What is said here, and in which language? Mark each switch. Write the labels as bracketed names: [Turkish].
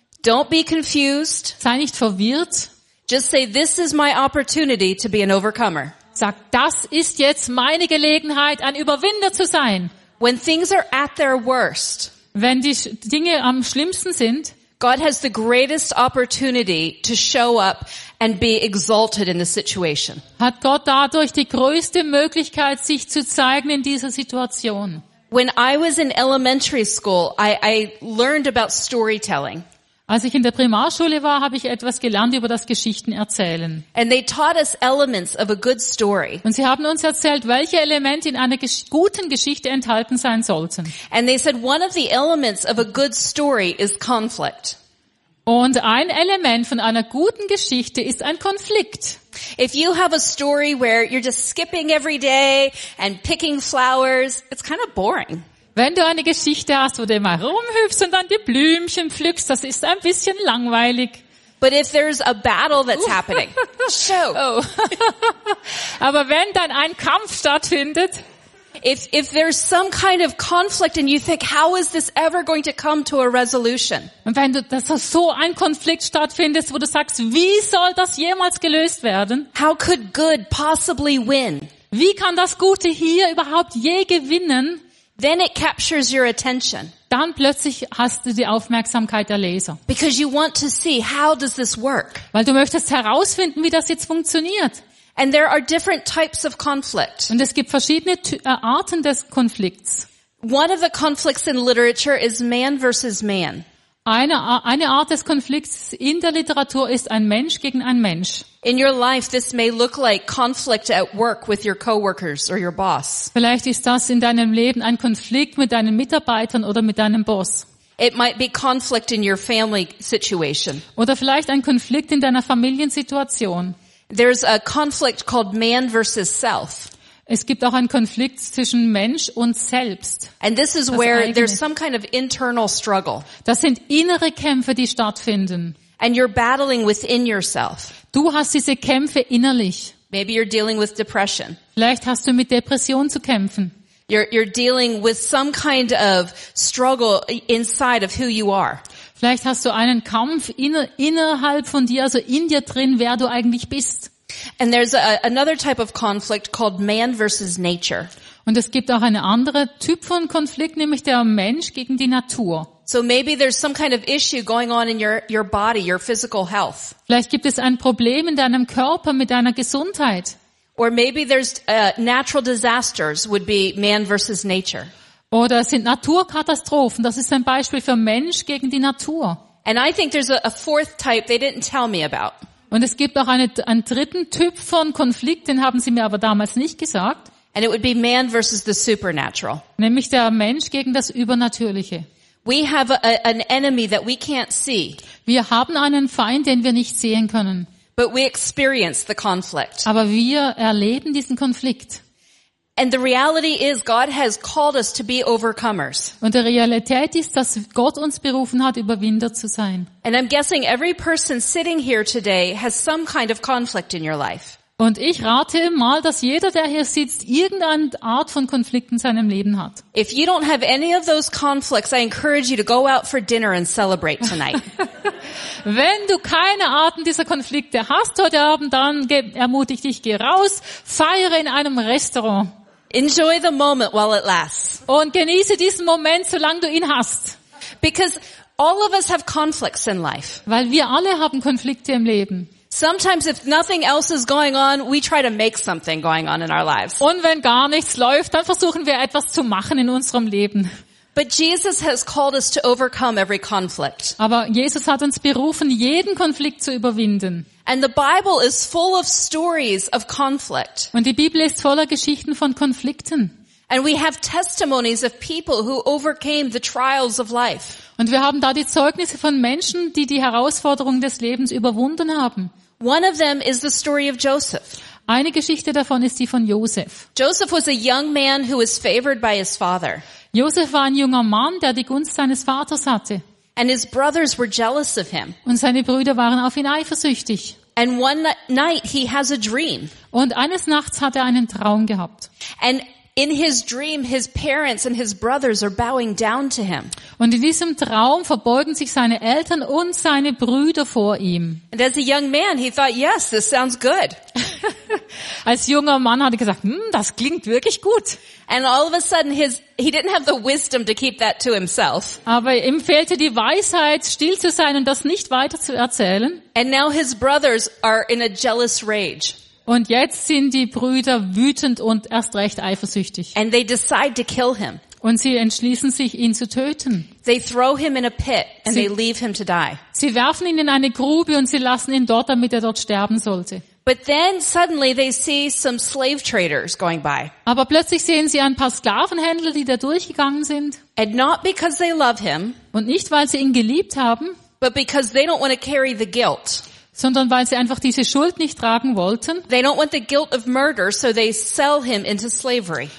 [English] don't be confused. [German] Sei nicht verwirrt. [English] Just say, this is my opportunity to be an overcomer. [German] Sag, das ist jetzt meine Gelegenheit, ein Überwinder zu sein. [English] When things are at their worst, [German] wenn die Dinge am schlimmsten sind, [English] God has the greatest opportunity to show up and be exalted in the situation. [German] Hat Gott dadurch die größte Möglichkeit, sich zu zeigen in dieser Situation. [English] When I was in elementary school, I learned about storytelling. [German] Als ich in der Primarschule war, habe ich etwas gelernt über das Geschichtenerzählen. [English] And they taught us elements of a good story. [German] Und sie haben uns erzählt, welche Elemente in einer guten Geschichte enthalten sein sollten. [English] And they said one of the elements of a good story is conflict. [German] Und ein Element von einer guten Geschichte ist ein Konflikt. [English] If you have a story where you're just skipping every day and picking flowers, it's kind of boring. [German] Wenn du eine Geschichte hast, wo du immer rumhüpfst und dann die Blümchen pflückst, das ist ein bisschen langweilig. [English] But if there's a battle that's happening. Show. [German] Oh. Aber wenn dann ein Kampf stattfindet, [English] if there's some kind of conflict and you think, how is this ever going to come to a resolution? [German] Und wenn du, dass so ein Konflikt stattfindet, wo du sagst, wie soll das jemals gelöst werden? [English] How could good possibly win? [German] Wie kann das Gute hier überhaupt je gewinnen? [English] Then it captures your attention. [German] Dann plötzlich hast du die Aufmerksamkeit der Leser. [English] Because you want to see, how does this work? [German] Weil du möchtest herausfinden, wie das jetzt funktioniert. [English] And there are different types of conflict. [German] Und es gibt verschiedene Arten des Konflikts. [English] One of the conflicts in literature is man versus man. [German] Eine Art des Konflikts in der Literatur ist ein Mensch gegen ein Mensch. [English] In your life this may look like conflict at work with your coworkers or your boss. [German] Vielleicht ist das in deinem Leben ein Konflikt mit deinen Mitarbeitern oder mit deinem Boss. [English] It might be conflict in your family situation. [German] Oder vielleicht ein Konflikt in deiner Familiensituation. [English] There's a conflict called man versus self. [German] Es gibt auch einen Konflikt zwischen Mensch und Selbst. [English] And this is where there's some kind of internal struggle. [German] Das sind innere Kämpfe, die stattfinden. [English] And you're battling within yourself. [German] Du hast diese Kämpfe innerlich. [English] Maybe you're dealing with depression. [German] Vielleicht hast du mit Depression zu kämpfen. [English] You're dealing with some kind of struggle inside of who you are. [German] Vielleicht hast du einen Kampf innerhalb von dir, also in dir drin, wer du eigentlich bist. [English] And there's another type of conflict called man versus nature. [German] Und es gibt auch einen anderen Typ von Konflikt, nämlich der Mensch gegen die Natur. [English] So maybe there's some kind of issue going on in your body, your physical health. [German] Vielleicht gibt es ein Problem in deinem Körper mit deiner Gesundheit. [English] Or maybe there's natural disasters would be man versus nature. [German] Oder es sind Naturkatastrophen. Das ist ein Beispiel für Mensch gegen die Natur. [English] And I think there's a fourth type they didn't tell me about. [German] Und es gibt auch einen dritten Typ von Konflikt, den haben sie mir aber damals nicht gesagt. [English] And it would be man versus the supernatural. [German] Nämlich der Mensch gegen das Übernatürliche. [English] We have an enemy that we can't see. [German] Wir haben einen Feind, den wir nicht sehen können. [English] But we experience the conflict. [German] Aber wir erleben diesen Konflikt. [English] And the reality is, God has called us to be overcomers. [German] Und die Realität ist, dass Gott uns berufen hat, Überwinder zu sein. [English] And I'm guessing every person sitting here today has some kind of conflict in your life. [German] Und ich rate mal, dass jeder, der hier sitzt, irgendeine Art von Konflikt in seinem Leben hat. [English] If you don't have any of those conflicts, I encourage you to go out for dinner and celebrate tonight. [German] Wenn du keine Arten dieser Konflikte hast heute Abend, dann ermutige dich, geh raus, feiere in einem Restaurant. [English] Enjoy the moment while it lasts. [German] Und genieße diesen Moment, solange du ihn hast. [English] Because all of us have conflicts in life. [German] Weil wir alle haben Konflikte im Leben. [English] Sometimes if nothing else is going on, we try to make something going on in our lives. [German] Und wenn gar nichts läuft, dann versuchen wir etwas zu machen in unserem Leben. [English] But Jesus has called us to overcome every conflict. [German] Aber Jesus hat uns berufen, jeden Konflikt zu überwinden. [English] And the Bible is full of stories of conflict. [German] Und die Bibel ist voller Geschichten von Konflikten. [English] And we have testimonies of people who overcame the trials of life. [German] Und wir haben da die Zeugnisse von Menschen, die die Herausforderungen des Lebens überwunden haben. [English] One of them is the story of Joseph. [German] Eine Geschichte davon ist die von Josef. [English] Joseph was a young man who was favored by his father. [German] Josef war ein junger Mann, der die Gunst seines Vaters hatte. [English] And his brothers were jealous of him. [German] Und seine Brüder waren auf ihn eifersüchtig. [English] And one night he has a dream. [German] Und eines Nachts hat er einen Traum gehabt. [English] And in his dream his parents and his brothers are bowing down to him. [German] Und in diesem Traum verbeugen sich seine Eltern und seine Brüder vor ihm. [English] And as a young man he thought, yes, this sounds good. [German] Als junger Mann hat er gesagt, das klingt wirklich gut. [English] And all of a sudden he didn't have the wisdom to keep that to himself. [German] Aber ihm fehlte die Weisheit, still zu sein und das nicht weiter zu erzählen. [English] And now his brothers are in a jealous rage. [German] Und jetzt sind die Brüder wütend und erst recht eifersüchtig. [English] And they decide to kill him. [German] Und sie entschließen sich, ihn zu töten. [English] They throw him in a pit and they leave him to die. [German] Sie werfen ihn in eine Grube und sie lassen ihn dort, damit er dort sterben sollte. [English] But then suddenly they see some slave traders going by. [German] Aber plötzlich sehen sie ein paar Sklavenhändler, die da durchgegangen sind. [English] And not because they love him. [German] Und nicht, weil sie ihn geliebt haben. [English] But because they don't want to carry the guilt. [German] Sondern weil sie einfach diese Schuld nicht tragen wollten. [English] They don't want the guilt of murder, so they sell him into slavery.